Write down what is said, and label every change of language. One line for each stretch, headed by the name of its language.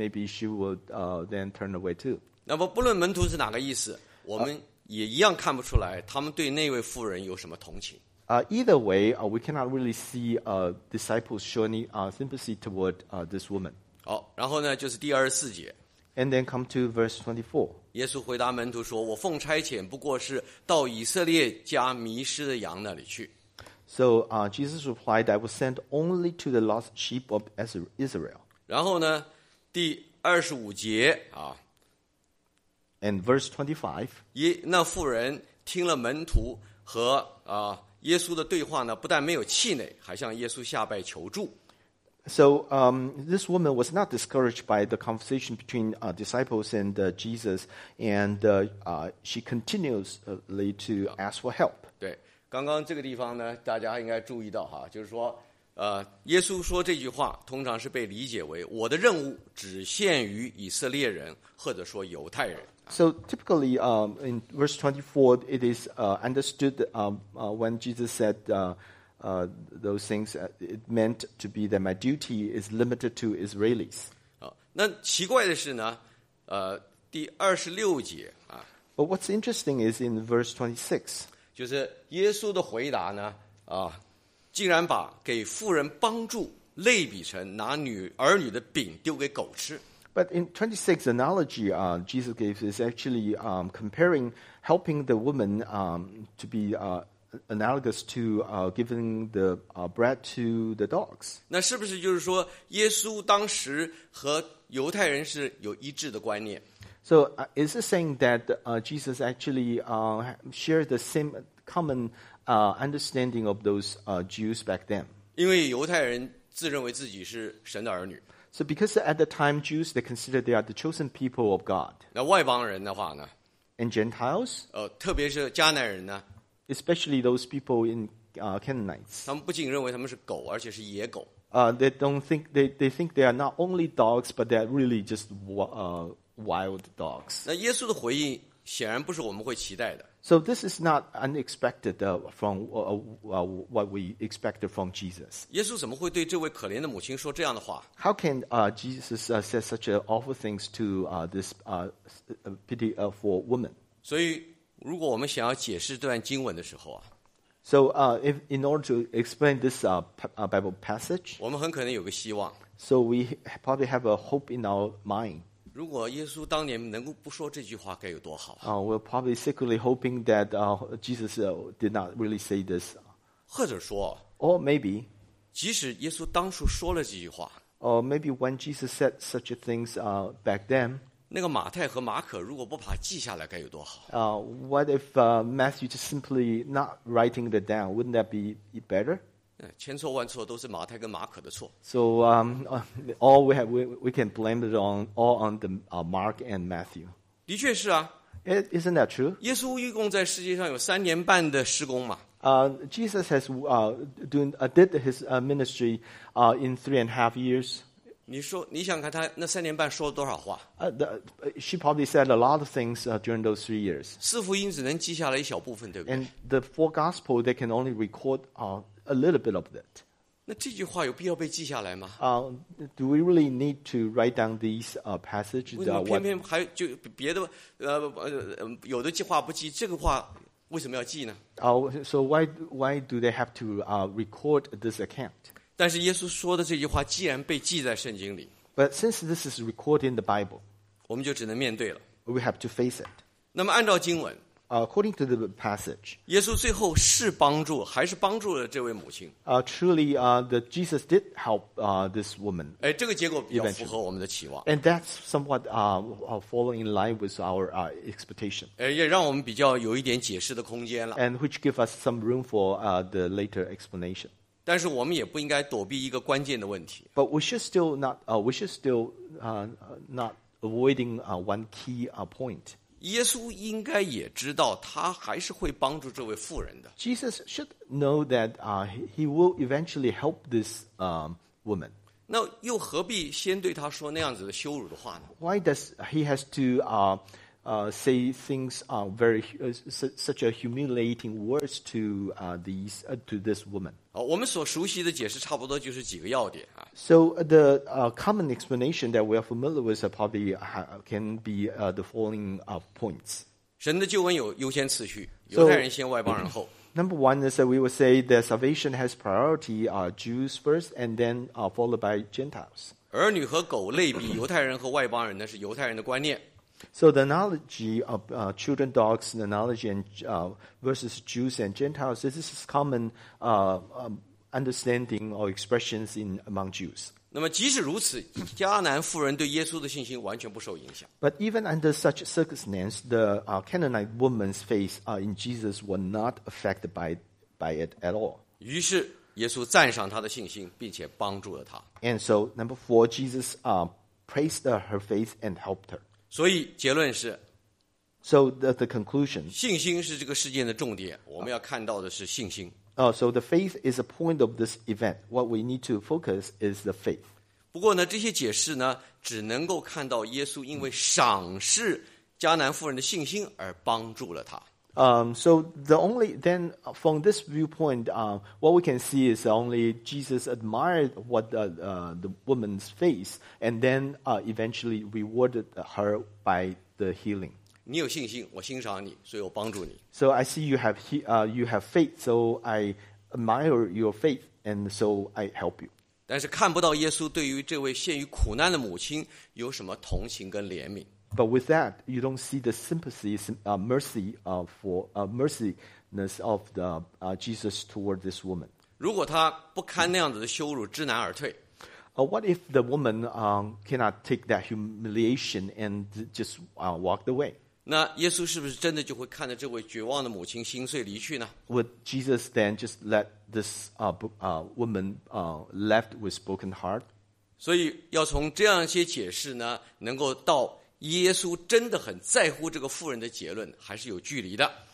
English: Or second possibility is that you just tell her that I'm not going to help you, and maybe she will then turn away too.
Chinese: 那么不论门徒是哪个意思，我们也一样看不出来他们对那位妇人有什么同情。
English: Either way, we cannot really see disciples showing sympathy toward this woman.
Chinese: 好，然后呢，就是第二十四节。
English: And then come to verse 24.
Chinese: 耶稣回答门徒说，我奉差遣不过是到以色列家迷失的羊那里去。
English: So Jesus replied, I was sent only to the lost sheep of Israel.
Chinese: 然后呢，第二十五节啊。
English: And verse 25.
Chinese: 那妇人听了门徒和耶稣的对话呢，不但没有气馁，还向耶稣下拜求助。
English: So, this woman was not discouraged by the conversation between disciples and Jesus, and she continuously to ask for help.
Chinese: 对，刚刚这个地方呢，大家应该注意到哈，就是说，耶稣说这句话，通常是被理解为我的任务只限于以色列人，或者说犹太人。
English: So typically, in verse 24, it is understood when Jesus said those things, it meant to be that my duty is limited to Israelis.
Chinese: 那奇怪的是呢，第二十六节啊。
English: But what's interesting is in verse 26.
Chinese: 就是耶稣的回答呢，竟然把给妇人帮助类比成拿儿女的饼丢给狗吃。
English: But in 26, the analogy Jesus gave is actually comparing helping the woman to be analogous to giving the bread to the dogs.
Chinese: 那是不是就是说耶稣当时和犹太人是有一致的观念？
English: So is it saying that Jesus actually shared the same common understanding of those Jews back then?
Chinese: 因为犹太人自认为自己是神的儿女。
English: So because at the time, Jews, they considered they are the chosen people of God.
Chinese: 那外邦人的话呢?
English: And Gentiles?
Chinese: 特别是迦南人呢?
English: Especially those people in Canaanites.
Chinese: 他们不仅认为他们是狗,而且是野狗。
English: They think they are not only dogs, but they are really just wild dogs.
Chinese: 那耶稣的回应显然不是我们会期待的。
English: So this is not unexpected from what we expected from Jesus.
Chinese: 耶稣怎么会对这位可怜的母亲说这样的话？
English: How can Jesus say such awful things to this pitiful woman?
Chinese: 所以如果我们想要解释这段经文的时候啊。
English: So if in order to explain this Bible passage,
Chinese: 我们很可能有个希望。
English: So we probably have a hope in our mind.
Chinese: 如果耶稣当年能够不说这句话，该有多好！
English: We're probably secretly hoping that Jesus did not really say this.
Chinese: 或者说
English: ，or maybe，
Chinese: 即使耶稣当初说了这句话
English: ，or maybe when Jesus said such things back then，
Chinese: 那个马太和马可如果不把记下来，该有多好
English: ！What if Matthew just simply not writing it down? Wouldn't that be better？
Chinese: 千错万错都是马太跟马可的错。
English: So all we can blame it on all on the Mark and Matthew.
Chinese: 的确是啊。
English: Isn't that true?
Chinese: 耶稣一共在世界上有三年半的施工嘛。
English: Jesus has did his ministry in 3.5 years.
Chinese: 你想看他那三年半说了多少话？
English: She probably said a lot of things during those 3 years.
Chinese: 四福音只能记下来一小部分，对不对
English: ？And the four gospels they can only record a little bit of that.
Chinese: 那这句话有必要被记下来吗？
English: Do we really need to write down these passages?
Chinese: 为什么偏偏还就别的有的计划不记，这个话为什么要记呢？
English: So why do they have to record this account?
Chinese: 但是耶稣说的这句话既然被记在圣经里，
English: But since this is recorded in the Bible,
Chinese: 我们就只能面对了。
English: We have to face it.
Chinese: 那么按照经文。
English: According to the passage,
Chinese: 耶稣最后是帮助，还是帮助了这位母亲。
English: Truly, Jesus did help this woman.
Chinese: 哎，这个结果比较符合我们的期望。
English: And that's somewhat falling in line with our expectation.
Chinese: 哎，也让我们比较有一点解释的空间了。
English: And which give us some room for the later explanation.
Chinese: 但是我们也不应该躲避一个关键的问题。
English: But we should still not avoiding one key point.
Chinese: 耶稣应该也知道他还是会帮助这位妇人的。
English: Jesus should know that he will eventually help this woman.
Chinese: 那又何必先对他说那样子的羞辱的话呢？
English: Why does he has to say things very such a humiliating words to to this woman?
Chinese: 我们所熟悉的解释差不多就是几个要点啊。
English: So the common explanation that we are familiar with probably can be the following points.
Chinese: 神的救恩有优先次序，犹太人先，外邦人后。
English: Number one is that we would say that salvation has priority, Jews first, and then followed by Gentiles.
Chinese: 儿女和狗类比犹太人和外邦人呢，是犹太人的观念。
English: So the analogy of children, dogs, the analogy and, versus Jews and Gentiles, this is common understanding or expressions in among Jews.
Chinese: 那么即使如此，迦南妇人对耶稣的信心完全不受影响。
English: But even under such circumstances, the Canaanite woman's faith in Jesus were not affected by it at all.
Chinese: 于是耶稣赞赏她的信心，并且帮助了她。
English: And so number four, Jesus praised her faith and helped her.
Chinese: 所以结论是
English: So the conclusion
Chinese: 信心是这个事件的重点我们要看到的是信心
English: So the faith is a point of this event What we need to focus is the faith
Chinese: 不过呢这些解释呢只能够看到耶稣因为赏识迦南妇人的信心而帮助了他
English: So the only then from this viewpoint what we can see is only Jesus admired what the woman's faith and then eventually rewarded her by the healing.
Chinese: 你有信心，我欣赏你，所以我帮助你。
English: So I see you have faith, so I admire your faith, and so I help you.
Chinese: 但是看不到耶稣对于这位陷于苦难的母亲有什么同情跟怜悯。
English: But with that, you don't see the sympathy, mercy for mercyness of the Jesus toward this woman.
Chinese: 如果她不堪那样子的羞辱，知难而退。
English: What if the woman cannot take that humiliation and just walked away?
Chinese: 那耶稣是不是真的就会看着这位绝望的母亲心碎离去呢
English: ？Would Jesus then just let this woman left with broken heart?
Chinese: 所以要从这样一些解释呢，能够到。耶稣真的很在乎这个妇人的结论，还是有距离的。